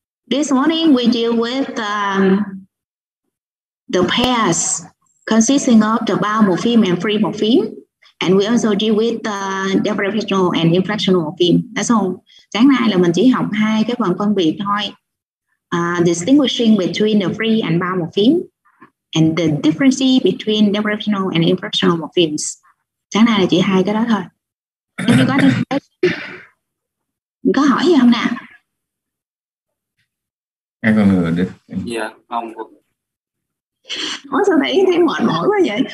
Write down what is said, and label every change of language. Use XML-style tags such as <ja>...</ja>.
<en>This morning we deal with the pairs consisting of the bound morpheme and free morpheme. And we also deal with the derivational and inflectional morpheme. That's all.</en> <vi>Sáng nay là mình chỉ học hai cái phần phân biệt thôi.</vi> <en>Distinguishing between the free and bound morpheme and the difference between derivational and inflectional morphemes.</en> <vi>Sáng nay là chỉ hai cái đó thôi. Em có hỏi gì không nè? Em còn nữa đi. Dạ, không. Ủa sao thấy thấy mệt mỏi quá vậy?</vi>